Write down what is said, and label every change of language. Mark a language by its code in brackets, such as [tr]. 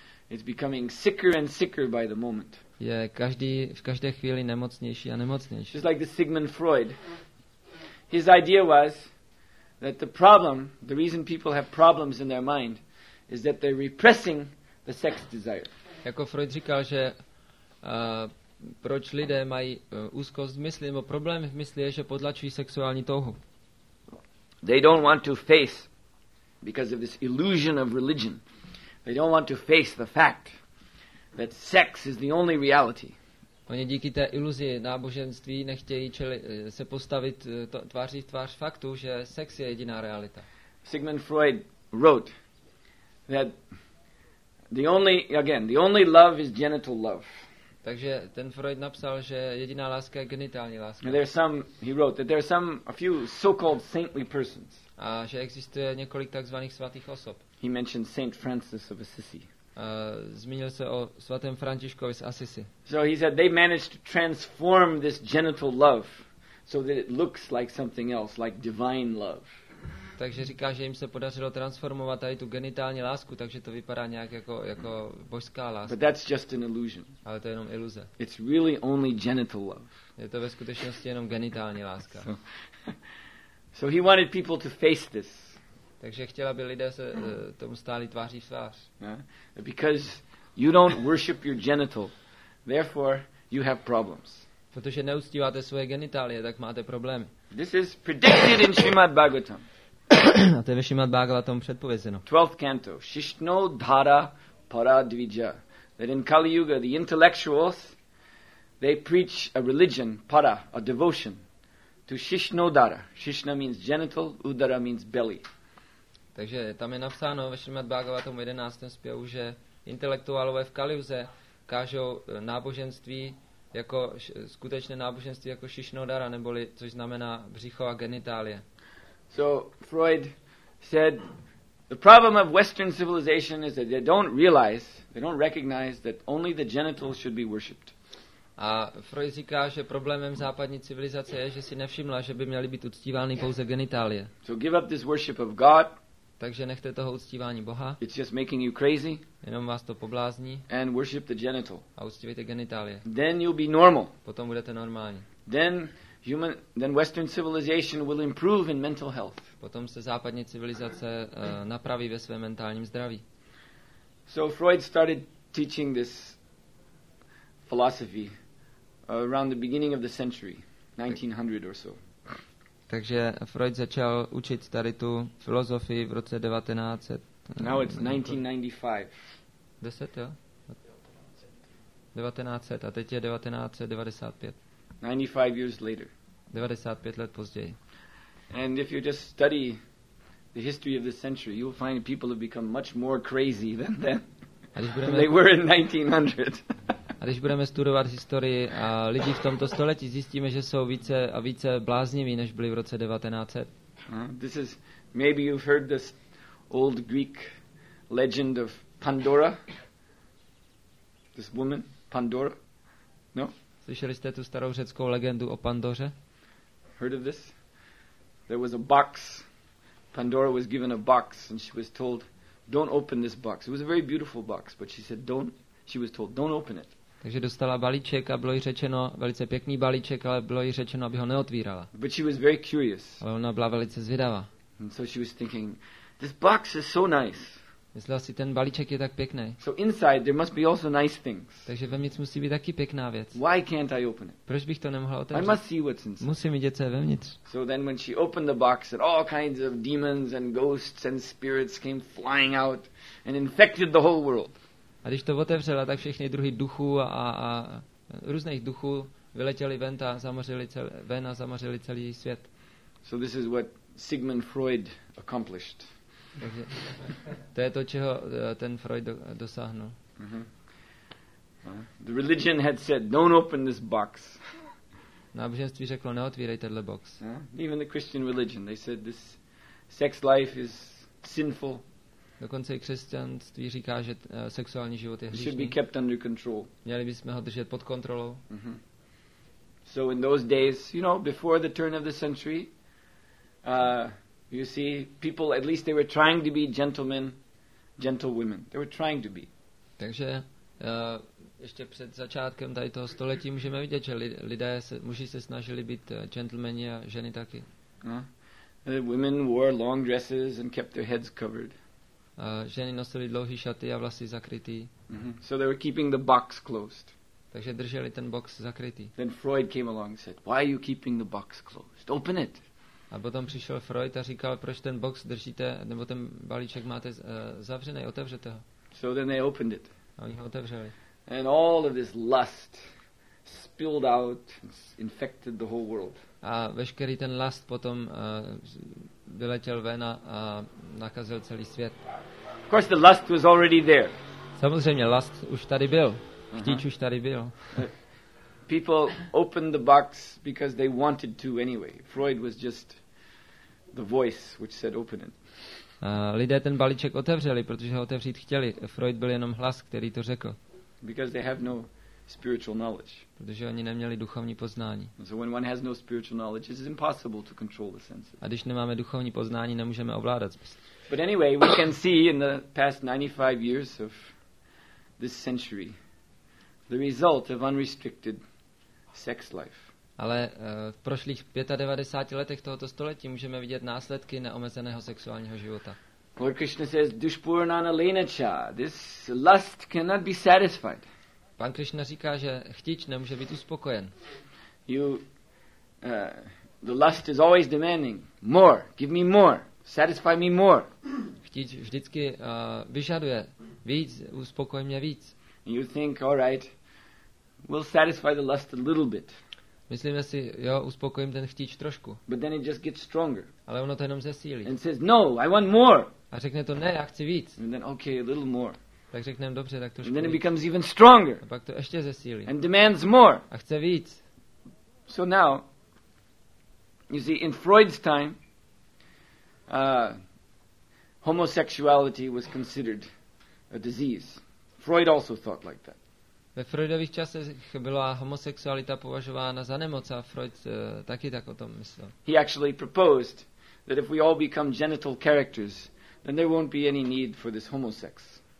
[en] It's becoming sicker and sicker by the moment. [cs] Je každý v každé chvíli nemocnější a nemocnější. [en] Just like the Sigmund Freud. His idea was that the problem, the reason people have problems in their mind is that they're repressing the sex desire. [cs] Jako Freud říkal, že proč lidé mají úzkost v mysli, nebo problém v mysli je, že potlačují sexuální touhu. [en] They don't want to face, because of this illusion of religion, they don't want to face the fact that sex is the only reality. [cs] Oni díky té iluzi náboženství nechtějí se postavit tváří v tvář faktu, že sex je jediná realita. [en] Sigmund Freud wrote that the only love is genital love. [cs] Takže ten Freud napsal, že jediná láska je genitální láska. [en] A few so-called saintly persons. [cs] A že existuje několik takzvaných svatých osob. [en] He mentioned Saint Francis of Assisi. [cs] Zmínil se o svatém Františkovi z Assisi. [en] So he said they managed to transform this genital love so that it looks like something else, like divine love. [cs] Takže říká, že jim se podařilo transformovat tady tu genitální lásku, takže to vypadá nějak jako božská láska. [en] But that's just an illusion. [cs] Ale to je jenom iluze. [en] It's really only genital love. [cs] Je to ve skutečnosti jenom genitální láska. [en] So he wanted people to face this. [cs] Takže chtěl, aby lidé se tomu stáli tváří v tvář. [en] Yeah? Because you don't worship your genital, therefore you have problems. [cs] Protože neuctíváte svoje genitálie, tak máte problémy. [en] This is predicted in Srimad Bhagavatam. [cs] A to je ve Srimad Bhagavatam předpovězeno. [sa] 12th canto, Shishno Dhara Para Dvija. [en] That in Kali Yuga, the intellectuals, they preach a religion, para, a devotion, to Shishno Dhara. Shishna means genital, Udara means belly. [cs] Takže tam je napsáno ve Srimad Bhagavatam 11. zpěvu, že intelektuálové v Kaliuze kážou náboženství jako skutečné náboženství jako Shishno Dhara, neboli což znamená břicho a genitálie. [en] So Freud said the problem of Western civilization is that they don't recognize that only the genitals should be worshipped. [cs] A Freud říká, že problémem západní civilizace je, že si nevšimla, že by měly být uctívány pouze genitálie. [en] So give up this worship of God. [cs] Takže nechte toho uctívání Boha. [en] It's just making you crazy. [cs] Jenom vás to poblázní. [en] And worship the genital. [cs] A uctívejte genitálie. [en] Then you'll be normal. [cs] Potom budete normální. [en] Then Western civilization will improve in mental health. [cs] Potom se západní civilizace napraví ve svém mentálním zdraví. [en] So Freud started teaching this philosophy around the beginning of the century, 1900 or so. [cs] Takže Freud začal učit tady tu filozofii v roce 1900. [en] Now it's 1995. [cs] 10, jo? 1900 a teď je 1995. [en] 95 years later. [cs] 95 let později. [en] And if you just study the history of this century, you will find people have become much more crazy than then. They were in 1900. [cs] A když budeme studovat historii a lidi v tomto století, zjistíme, že jsou více a více blázniví, než byli v roce 1900. [en] This is maybe you've heard this old Greek legend of Pandora. This woman, Pandora. No? [cs] Slyšeli jste tu starou řeckou legendu o Pandoře? [en] Heard of this? There was a box. Pandora was given a box and she was told, don't open this box. It was a very beautiful box, but she said, she was told, don't open it. [cs] Takže dostala balíček a bylo jí řečeno, velice pěkný balíček, ale bylo jí řečeno, aby ho neotvírala. [en] But she was very curious. [cs] Ale ona byla velice zvědavá. [en] And so she was thinking, this box is so nice. [cs] Myslel si, ten balíček je tak pěkný. [en] So inside there must be also nice things. [cs] Takže vevnitř musí být taky pěkná věc. [en] Why can't I open it? [cs] Proč bych to nemohla otevřít? [en] I must see what's inside. [cs] Musím vidět, co je vevnitř. [en] So then when she opened the box and all kinds of demons and ghosts and spirits came flying out and infected the whole world. [cs] A když to otevřela, tak všechny druhy duchů a různých duchů vyletěli ven a zamořili celý svět. [en] So this is what Sigmund Freud accomplished. [cs] Takže to je to, čeho ten Freud dosáhnul. [en] The religion had said, don't open this box. [cs] Náboženství řeklo, neotvírej tenhle box. [en] Even the Christian religion, they said this sex life is sinful. [cs] Dokonce i křesťanství říká, že sexuální život je hříšný. [en] Should be kept under control. [cs] Měli bychom ho držet pod kontrolou. [en] So in those days, you know, before the turn of the century, you see, people at least they were trying to be gentlemen, gentle women. They were trying to be. [cs] Takže ještě před začátkem tady toho století můžeme vidět, že lidé muži se snažili být gentlemani a ženy taky. [en] The women wore long dresses and kept their heads covered. [cs] Ženy nosily dlouhé šaty a vlasy zakrytý. [en] So they were keeping the box closed. [cs] Takže drželi ten box zakrytý. [en] Then Freud came along and said, "Why are you keeping the box closed? Open it." [cs] A potom přišel Freud a říkal, proč ten box držíte, nebo ten balíček máte zavřený, otevřete ho. [en] So then they opened it. [cs] A oni ho otevřeli. [en] And all of this lust spilled out and infected the whole world. [cs] A veškerý ten lust potom vyletěl ven a nakazil celý svět. [en] Of course the lust was already there. [cs] Samozřejmě lust už tady byl. Chtíč už tady byl. [en] People opened the box because they wanted to anyway. Freud was just the voice which said open it. [cs] Lidé ten balíček otevřeli, protože ho otevřít chtěli. Freud byl jenom hlas, který to řekl. [en] Because they have no spiritual knowledge. [cs] Protože oni neměli duchovní poznání. [en] So when one has no spiritual knowledge, it is impossible to control the senses. [cs] A když nemáme duchovní poznání, nemůžeme ovládat smysl. [en] But anyway, we can see in the past 95 years of this century the result of unrestricted sex life. [cs] Ale v prošlých 95 letech tohoto století můžeme vidět následky neomezeného sexuálního života. [en] Lord Krishna says, [sa] "Dushpurnana lenacha, [en] this lust cannot be satisfied." [cs] Pan Krishna říká, že chtíč nemůže být uspokojen. [en] The lust is always demanding more. Give me more. Satisfy me more. [cs] Chtíč vždycky vyžaduje víc. Uspokoj mě víc. [en] You think, all right, we'll satisfy the lust a little bit. [cs] Myslíme si, jo, uspokojím ten chtíč trošku. [en] But then it just gets stronger. [cs] Ale ono to jenom zesílí. [en] And says, no, I want more. [cs] A řekne to, ne, já chci víc. [en] And then, okay, a little more. [cs] Tak řekneme, dobře, tak trošku [en] And then [cs] víc. [en] It becomes even stronger. [cs] A pak to ještě zesílí. [en] And demands more. [cs] A chce víc. [en] So now, you see, in Freud's time, homosexuality was considered a disease. Freud also thought like that. [cs] Ve Freudových časech byla homosexualita považována za nemoc a Freud taky tak o tom myslel. [en] He actually proposed that if we all become genital characters, then there won't be any need for this homosex.